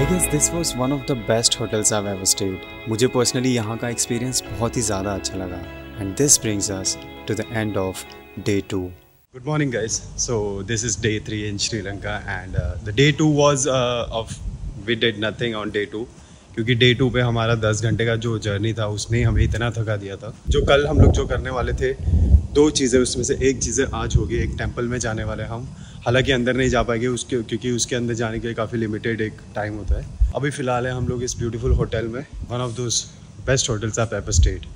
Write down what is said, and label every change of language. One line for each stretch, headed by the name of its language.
English: This was one of the best hotels I've ever stayed.
Hindi: मुझे personally यहाँ का experience बहुत ही ज़्यादा अच्छा लगा.
English: And this brings us to the end of day 2. Good morning guys. So this is day 3 in Sri Lanka and the day 2 was of we did nothing on day 2.
Hindi: क्योंकि day 2 पे हमारा 10 घंटे का जो journey था उसने हमें इतना थका दिया था. जो कल हम लोग जो करने वाले थे, दो चीज़ें उसमें से एक चीज़ें आज होगी. एक temple में जाने वाले हम, हालांकि अंदर नहीं जा पाएंगे उसके, क्योंकि उसके अंदर जाने के लिए काफ़ी लिमिटेड एक टाइम होता है. अभी फिलहाल है हम लोग इस ब्यूटीफुल होटल में,
English: One of those best hotels of ever stayed.